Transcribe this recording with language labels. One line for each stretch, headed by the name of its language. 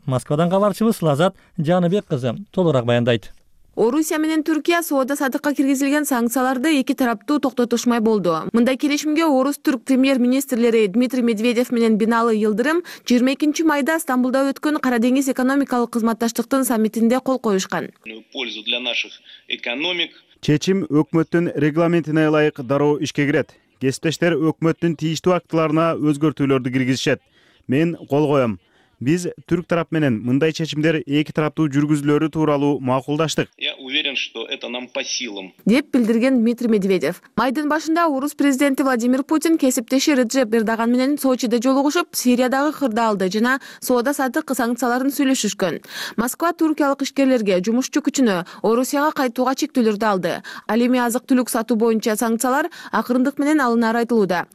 Kyrgyz: Москвадан кабарчыбыз Лазат Жаныбек кызы толугураак баяндайт. Орусия менен Түркия соода саатыкка киргизилген санкцияларды эки тараптуу токтотушмай болду. Мындай келишимге орус түрк премьер-министрлери Дмитрий Медведев менен Биналы Йылдырым 22 майда Стамбулда өткөн Кара деңиз экономикалык кызматташтыктын саммитинде кол коюшкан.
Russian: Пользу для наших экономик.
Kyrgyz: Чечим өкмөттүн регламентине ылайык дароо ишке кирет. Кесиптештер өкмөттүн тийиштүү актыларына өзгөртүүлөрдү киргизишет. Мен кол коем. Биз түрк тарап менен мындай чечимдер эки тараптуу жүргүзүлөрү тууралуу макулдаштык.
Russian: Я уверен, что это нам по силам.
Kyrgyz: Деп билдирген Дмитрий Медведев. Майдын башында орус президенти Владимир Путин кесиптеши Реджеп Эрдоган менен Сочиде жолугушуп, Сириядагы кырдаалды жана соода саатык санкцияларын сүйлөшүшкөн. Москва түркиялык ишкерлерге жумушчу күчүнө Орусияга кайтууга чектөөлөрдү алды. Ал эми азык-түлүк сатуу боюнча санкциялар акырындык менен алынары айтылууда.